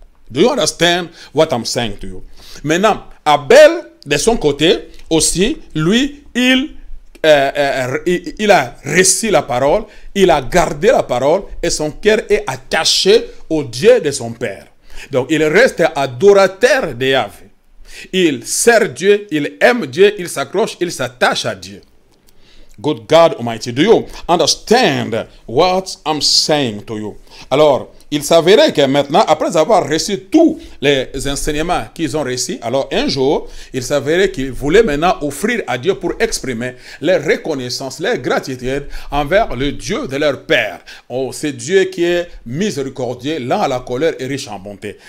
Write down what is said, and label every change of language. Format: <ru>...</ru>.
<en>Do you understand what I'm saying to you?</en> <fr>Maintenant, Abel, de son côté, aussi, lui, il il a reçu la parole, il a gardé la parole et son cœur est attaché au Dieu de son père. Donc il reste adorateur de Yahvé. Il sert Dieu, il aime Dieu, il s'accroche, il s'attache à Dieu.</fr> <en>Good God Almighty, do you understand what I'm saying to you?</en> <fr>Alors, il s'avérait que maintenant, après avoir reçu tous les enseignements qu'ils ont reçus, alors un jour, il s'avérait qu'ils voulaient maintenant offrir à Dieu pour exprimer leur reconnaissance, leur gratitude envers le Dieu de leur Père. Oh, c'est Dieu qui est miséricordieux, lent à la colère et riche en bonté.</fr>